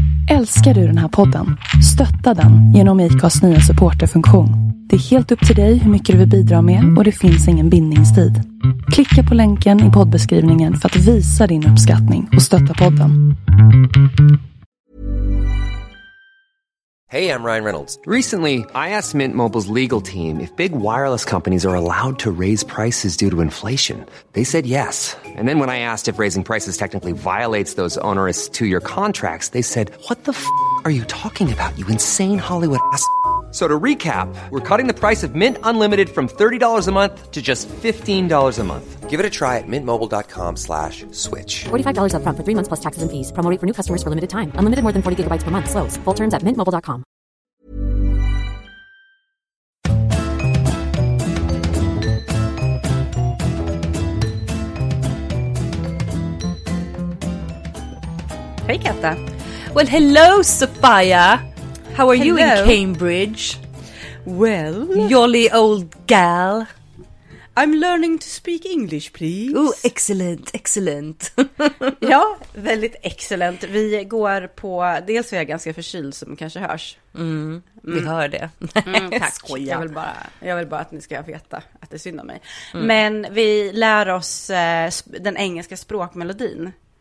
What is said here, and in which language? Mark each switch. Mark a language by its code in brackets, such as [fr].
[sv] Älskar du den här podden? Stötta den genom IKAs nya supporterfunktion. Det är helt upp till dig hur mycket du vill bidra med och det finns ingen bindningstid. Klicka på länken i poddbeskrivningen för att visa din uppskattning och stötta podden. [en] Hey, I'm Ryan Reynolds. Recently, I asked Mint Mobile's legal team if big wireless companies are allowed to raise prices due to inflation. They said yes. And then when I asked if raising prices technically violates those onerous two-year contracts, they said, what the f*** are you talking about, you insane Hollywood ass f***? So to recap, we're cutting the price of Mint Unlimited from $30 a month to just $15 a month. Give it a try at mintmobile.com/switch. $45 up front for 3 months plus taxes and fees. Promo rate for new customers for limited time. Unlimited more than 40 gigabytes per month. Slows full terms at mintmobile.com. Hey, Katta. Well, hello, Sophia. How are you in Cambridge? Well, jolly old gal. I'm learning to speak English, please. Oh, excellent, excellent. [sv] Ja, väldigt excellent. Vi går på, dels är jag ganska förkyld som kanske hörs. Vi hör det. Tack, skoja. Jag vill bara att ni ska veta att det är synd om mig. Men vi lär oss den engelska språkmelodin.